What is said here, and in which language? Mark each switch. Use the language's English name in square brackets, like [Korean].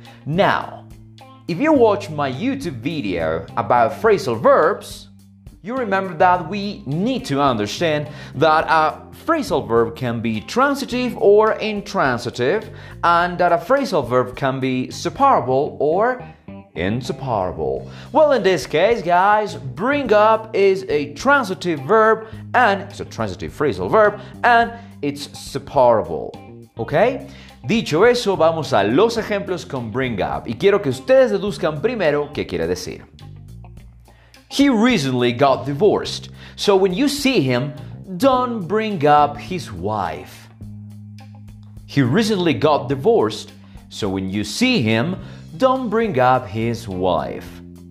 [English] Now, if you watch my YouTube video about phrasal verbs, you remember that we need to understand that a phrasal verb can be transitive or intransitive, and that a phrasal verb can be separable or inseparable. Well, in this case, guys, bring up is a transitive verb, and it's a transitive phrasal verb, and it's separable. ¿Ok? [Spanish] Dicho eso, vamos a los ejemplos con bring up. Y quiero que ustedes deduzcan primero qué quiere decir. [English] He recently got divorced, so when you see him, don't bring up his wife. He recently got divorced, so when you see him, don't bring up his wife.